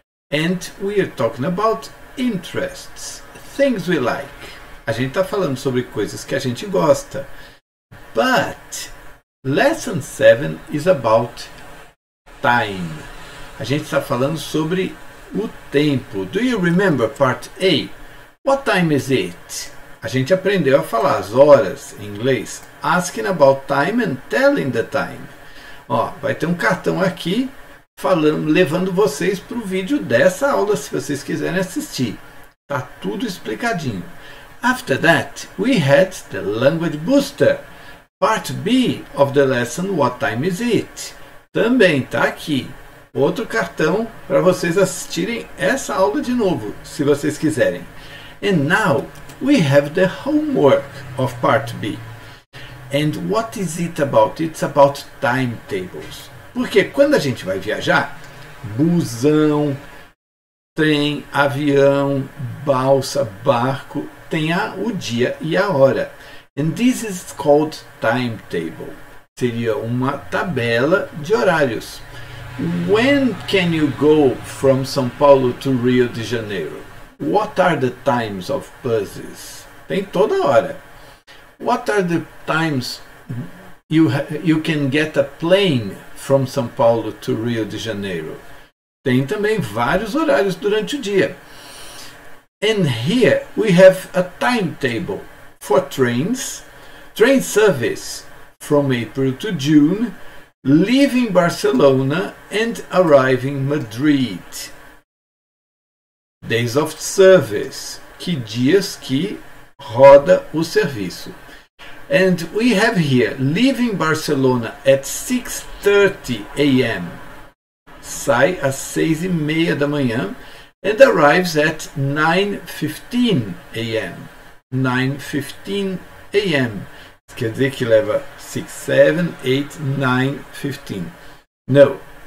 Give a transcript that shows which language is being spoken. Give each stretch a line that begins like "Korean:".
English: And we're talking about interests, things we like.
Portuguese: A gente tá falando sobre coisas que a gente gosta.
English: But Lesson 7 is about time.
Portuguese: A gente tá falando sobre o tempo.
English: Do you remember Part A? What time is it?
Portuguese: A gente aprendeu a falar as horas em inglês,
English: asking about time and telling the time.
Portuguese: Ó, vai ter um cartão aqui falando, levando vocês para o vídeo dessa aula, se vocês quiserem assistir. Tá tudo explicadinho.
English: After that, we had the language booster. Part B of the lesson, what time is it?
Portuguese: Também tá aqui. Outro cartão para vocês assistirem essa aula de novo, se vocês quiserem.
English: And now, we have the homework of Part B. And what is it about? It's about timetables.
Portuguese: Porque quando a gente vai viajar, busão, trem, avião, balsa, barco, tem o dia e a hora.
English: And this is called timetable.
Portuguese: Seria uma tabela de horários.
English: When can you go from São Paulo to Rio de Janeiro? What are the times of buses?
Portuguese: Tem toda hora.
English: What are the times you can get a plane from São Paulo to Rio de Janeiro?
Portuguese: Tem também vários horários durante o dia.
English: And here we have a timetable for trains. Train service from April to June, leaving Barcelona and arriving Madrid. Days of service,
Portuguese: que dias que roda o serviço.
English: And we have here, leaving Barcelona at 6:30 a.m.
Portuguese: Sai às 6:30 da manhã
English: and arrives at 9:15 a.m.
Portuguese: 9:15 a.m. Quer dizer que leva 6, 7, 8, 9, 15. No.